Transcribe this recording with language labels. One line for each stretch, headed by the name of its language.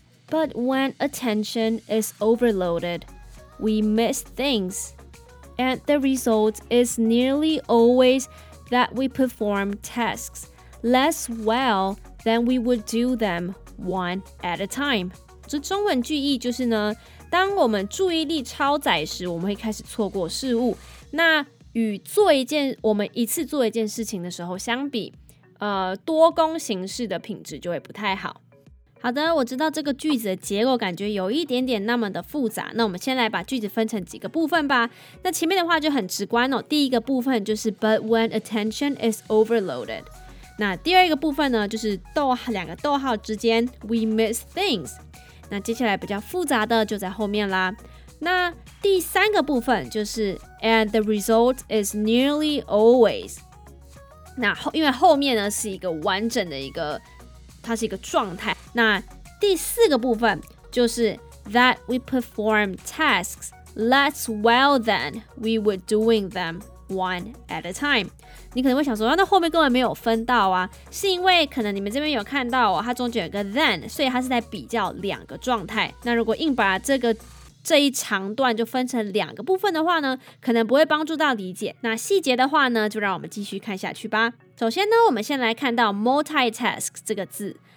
English: But when attention is overloaded, we miss things. And the result is nearly always that we perform tasks less well than we would do them one at a time.
Chinese: 这中文句意就是呢，当我们注意力超载时，我们会开始错过事物。那与做一件我们一次做一件事情的时候相比，多功形式的品质就会不太好。好的，我知道这个句子的结构感觉有一点点那么的复杂，那我们先来把句子分成几个部分吧。那前面的话就很直观哦，第一个部分就是
English: But when attention is overloaded，
Chinese: 那第二个部分呢就是两个逗号之间
English: We miss things，
Chinese: 那接下来比较复杂的就在后面啦。那第三个部分就是
English: And the result is nearly always，
Chinese: 那因为后面呢是一个完整的一个它是一个状态。那第四个部分就是
English: That we perform tasks less well than we were doing them one at a time。
Chinese: 你可能会想说那后面根本没有分到啊，是因为可能你们这边有看到哦，它中间有个 than， 所以它是在比较两个状态。那如果硬把这一长段就分成两个部分的话呢，可能不会帮助到理解。那细节的话呢，就让我们继续看下去吧。首先呢，我们先来看到 multitask 这个字。